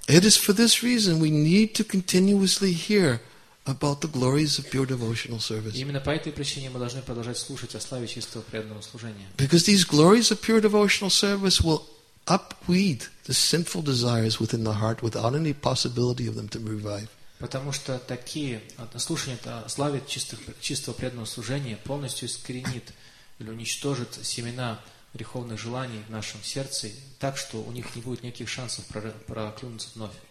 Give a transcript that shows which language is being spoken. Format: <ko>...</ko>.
<en>It is for this reason we need to continuously hear about the glories of pure devotional service.</en> <ru>Именно по этой причине мы должны продолжать слушать о славе чистого преданного служения.</ru> <en>Because these glories of pure devotional service will upweed the sinful desires within the heart without any possibility of them to revive.</en> <ru>Потому что такие слушания о славе чистого преданного служения полностью искоренит или уничтожит семена греховных желаний в нашем сердце так, что у них не будет никаких шансов проклюнуться вновь.</ru>